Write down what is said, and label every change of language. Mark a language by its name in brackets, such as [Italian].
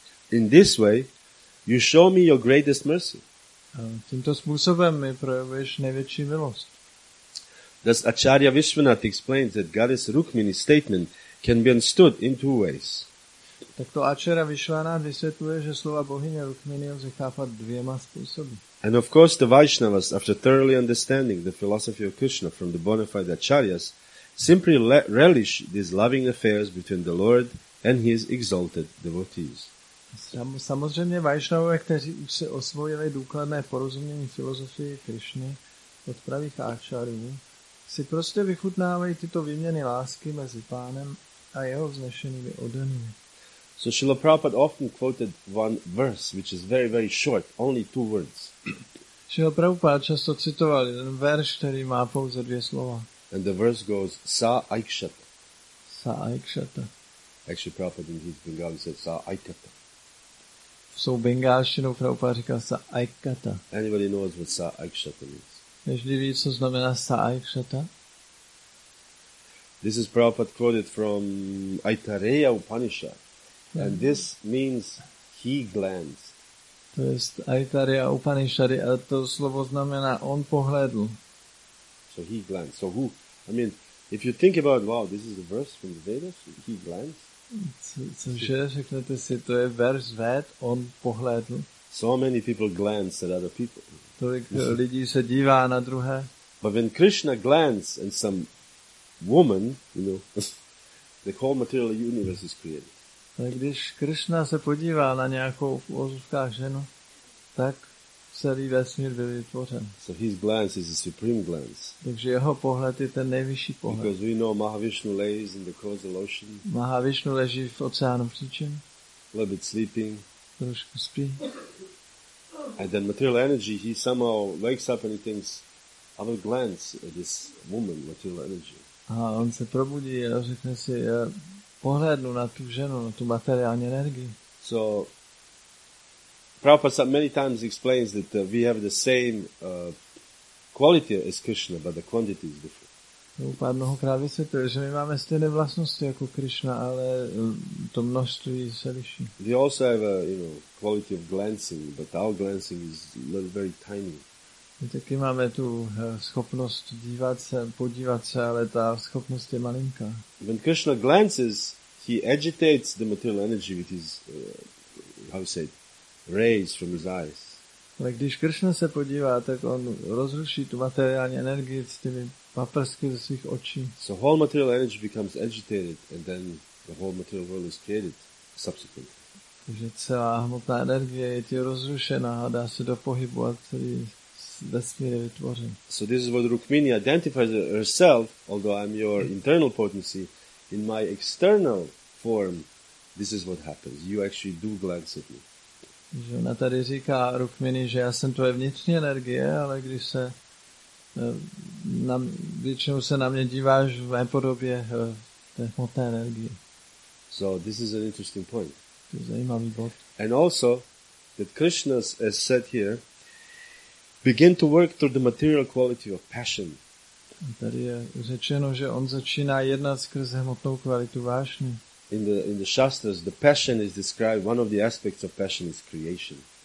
[English] In this way, you show me your greatest mercy. [Czech] Tímto způsobem mi projevuješ největší milost. [English] Thus Acharya Vishwanath explains that Goddess Rukmini's statement can be understood in two ways. [Czech] Tak to Acharya Vishwanath vysvětluje, že slova bohyně Rukmini lze chápat dvěma způsoby. [English] And of course the Vaishnavas, after thoroughly understanding the philosophy of Krishna from the bona fide Acharyas, simply relish these loving affairs between the Lord and his exalted devotees. [Czech] Samozřejmě Vaishnavové, kteří už se osvojili důkladné porozumění filozofie Krishny od pravých áčarů, si prostě vychutnávají tyto výměny lásky mezi pánem a jeho vznešenými oddanými. [English] So Srila Prabhupada often quoted one verse, which is very, very short, only two words. [Czech] Srila Prabhupada často citoval jeden verš, který má pouze dvě slova. [English] And the verse goes, Sa Aikshata. Sa Aikshata. Actually, Prabhupada in his Bengali said, Sa Aikata. [Czech] So bengalštinou Prabhupada říká Sa Aikata. [English] Anybody knows what Sa Aikshata means? [Czech] Každý ví, co znamená Sa Aikshata? [English] This is Prabhupada quoted from Aitareya Upanishad. And this means he glanced. [Czech] To je Aitareya Upanishady, a to slovo znamená on pohlédl. [English] So he glanced. So who? I mean, if you think about, wow, this is a verse from the Vedas, he glanced. [Czech] Cože, řeknete si, to je verš Ved, on pohlédl. [English] So many people glance at other people. [Czech] Tolik lidí se dívá na druhé. [English] But when Krishna glanced at some woman, you know, the whole material universe is created. [Czech] Tak když Krishna se podívá na nějakou v uvozovkách ženu, tak celý vesmír byl vytvořen. [English] So his glance is a supreme glance. [Czech] Takže jeho pohled je ten nejvyšší pohled. [English] Because we know Mahavishnu lays in the causal ocean. [Czech] Mahavishnu leží v oceánu příčin. [English] A little bit sleeping. [Czech] Trošku spí. [English] And then material energy, he somehow wakes up and he thinks, I will glance at this woman, material energy. [Czech] A on se probudí a řekne si, pohlédnu na tu ženu, na tu materiální energii. [English] So, Prabhupada many times explains that we have the same quality as Krishna, but the quantity is different. [Czech] Prabhupada mnohokrát vysvětluje, že my máme stejné vlastnosti jako Krishna, ale to množství se liší. [English] We also have a, you know, quality of glancing, but our glancing is little, very tiny. [Czech] My taky máme tu schopnost dívat se, podívat se, ale ta schopnost je malinká. [English] When Krishna glances, he agitates the material energy with his, how to say, rays from his eyes. [Czech] Ale když Krishna se podívá, tak on rozruší tu materiální energii s těmi paprsky ze svých očí. [English] So whole material energy becomes agitated and then the whole material world is created subsequently. [Czech] Takže celá hmotná energie je tě rozrušena a dá se do pohybu a celý vesmír je vytvořen. [English] So this is what Rukmini identifies herself, although I'm your internal potency, in my external form, this is what happens. You actually do glance at me. [Czech] Že ona tady říká, Rukmini, že já jsem tvoje vnitřní energie, ale když se na, většinou se na mě díváš v mé podobě té hmotné energie. [English] So this is an interesting point. [Czech] To je zajímavý bod. [English] And also, that Krishna has said here, begin to work through the material quality of passion. [Czech] Tady je řečeno, že on začíná jednat skrze hmotnou kvalitu vášně. [English] In the shastras, the passion is described, one of the aspects of passion is creation.